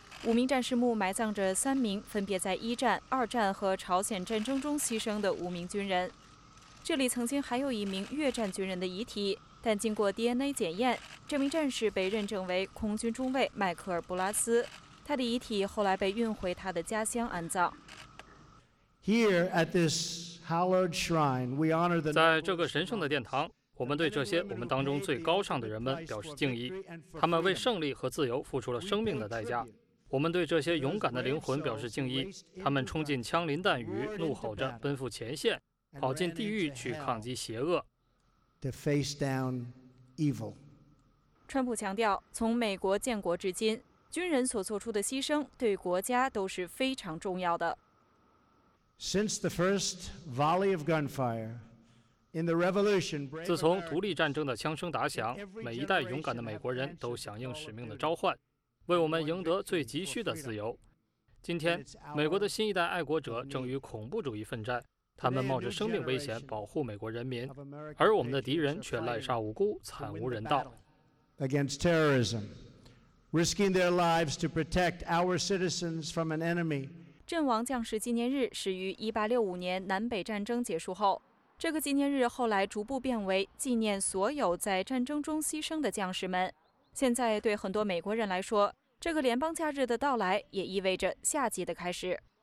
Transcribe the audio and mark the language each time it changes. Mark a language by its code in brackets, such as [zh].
[zh] 无名战士墓埋葬着3名分别在一战、二战和朝鲜战争中牺牲的无名军人。这里曾经还有一名越战军人的遗体，但经过 DNA 检验，这名战士被认证为空军中尉迈克尔·布拉斯。他的遗体后来被运回他的家乡安葬。 [en] Here at this hallowed shrine, we honor the. [zh] 在这个神圣的殿堂，我们对这些我们当中最高尚的人们表示敬意，他们为胜利和自由付出了生命的代价。我们对这些勇敢的灵魂表示敬意，他们冲进枪林弹雨，怒吼着奔赴前线，跑进地狱去抗击邪恶。 [en] To face down evil. [zh] 川普强调，从美国建国至今，军人所做出的牺牲对国家都是非常重要的。 [en] Since the first volley of gunfire in the Revolution, [zh] 自从独立战争的枪声打响，每一代勇敢的美国人都响应使命的召唤，为我们赢得最急需的自由。今天，美国的新一代爱国者正与恐怖主义奋战，他们冒着生命危险保护美国人民，而我们的敌人却滥杀无辜，惨无人道。 [en] Against terrorism. Risking their lives to protect our citizens from an enemy. [zh] 阵亡将士纪念日始于1865年南北战争结束后，这个纪念日后来逐步变为纪念所有在战争中牺牲的将士们。现在对很多美国人来说，这个联邦假日的到来也意味着夏季的开始。